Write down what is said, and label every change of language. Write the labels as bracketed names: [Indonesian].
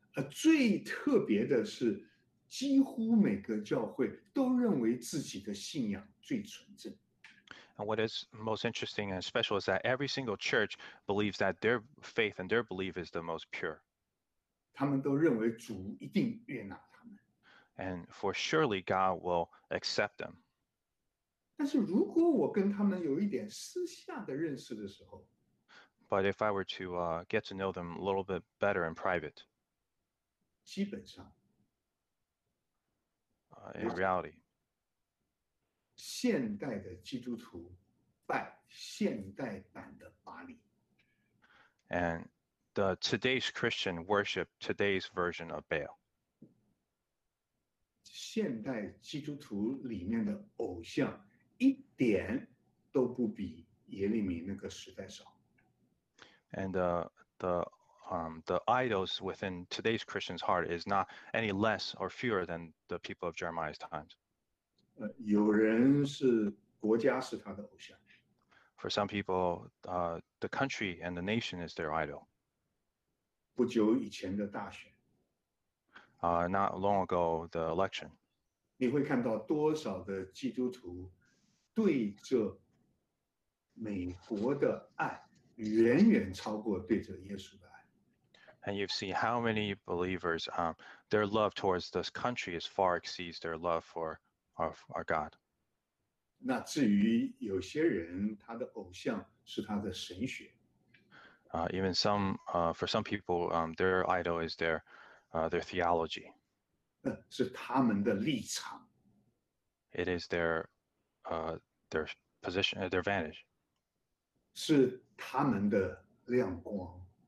[Chinese] 最特别的是，几乎每个教会都认为自己的信仰最纯正。 [English] And what is most interesting and special is that every single church believes that their faith and their belief is the most pure. [Chinese] 他们都认为主一定悦纳他们。 [English] And for surely God will accept them. [Chinese] 但是如果我跟他们有一点私下的认识的时候， [English] But if I were to get to know them a little bit better in private, [Chinese] 基本上， [English] in reality, [Chinese] 现代的基督徒拜现代版的巴利。 [English] And the today's Christian worship today's version of Baal. [Chinese] 现代基督徒里面的偶像一点都不比耶利米那个时代少。 [English] And the idols within today's Christian's heart is not any less or fewer than the people of Jeremiah's times. [Chinese] 有人是国家是他的偶像。 [English] For some people, the country and the nation is their idol. [Chinese] 不久以前的大选。 [English] Not long ago, the election. [Chinese] 你会看到多少的基督徒对这美国的爱远远超过对这耶稣的爱。 [English] And you've seen how many believers, their love towards this country is far exceeds their love for our God. [Chinese] 那至于有些人，他的偶像是他的神学。 [English] Even some, for some people, their idol is their theology. [Chinese] 是他们的立场。 [English] It is their position, their vantage. [Chinese] 是他们的亮光。